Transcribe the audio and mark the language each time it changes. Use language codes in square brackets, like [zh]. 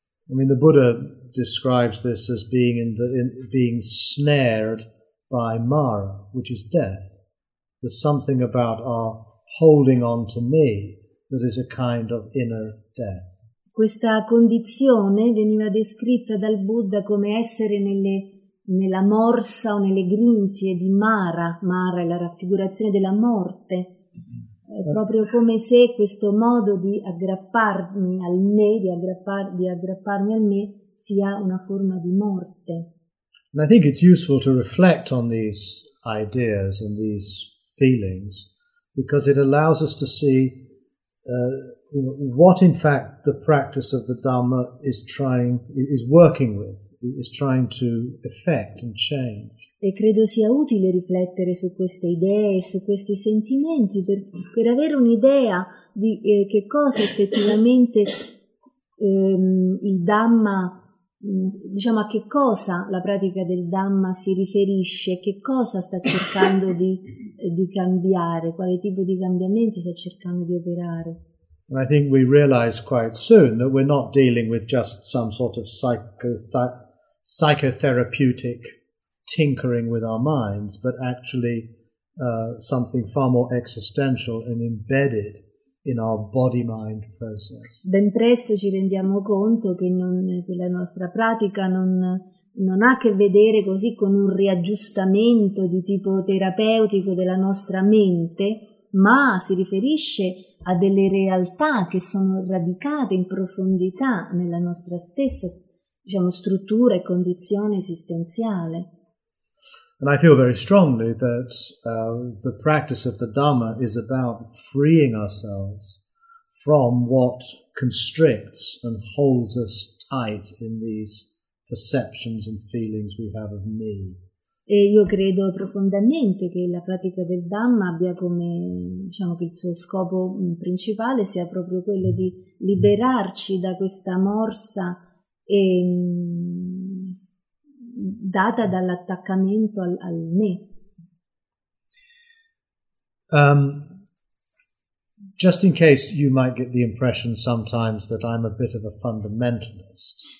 [en] I mean, the Buddha describes this as being snared by Mara, which is death. There's something about our holding on to me that is a kind of inner death. [it] Questa condizione veniva descritta dal Buddha come essere nella morsa o nelle grinfie di Mara. Mara è la raffigurazione della morte. È proprio come se questo modo di aggrapparmi al me, di aggrapparmi al me, sia una forma di morte. [en] And I think it's useful to reflect on these ideas and these feelings, because it allows us to see what in fact the practice of the Dhamma is trying to effect and change. [it] E credo sia utile riflettere su queste idee, su questi sentimenti, per avere un'idea di che cosa effettivamente il Dhamma, diciamo, a che cosa la pratica del Dhamma si riferisce, che cosa sta cercando di cambiare, quale tipo di cambiamenti sta cercando di operare. [en] And I think we realize quite soon that we're not dealing with just some sort of psychotherapeutic tinkering with our minds, but actually something far more existential and embedded in our body-mind process. [it] Ben presto ci rendiamo conto che la nostra pratica non ha a che vedere così con un riaggiustamento di tipo terapeutico della nostra mente, ma si riferisce a delle realtà che sono radicate in profondità nella nostra stessa, diciamo, struttura e condizione esistenziale. [en] And I feel very strongly that the practice of the Dhamma is about freeing ourselves from what constricts and holds us tight in these perceptions and feelings we have of me. [it] E io credo profondamente che la pratica del Dhamma abbia come, diciamo, che il suo scopo principale sia proprio quello di liberarci da questa morsa e data dall'attaccamento al me. [en] Just in case you might get the impression sometimes that I'm a bit of a fundamentalist.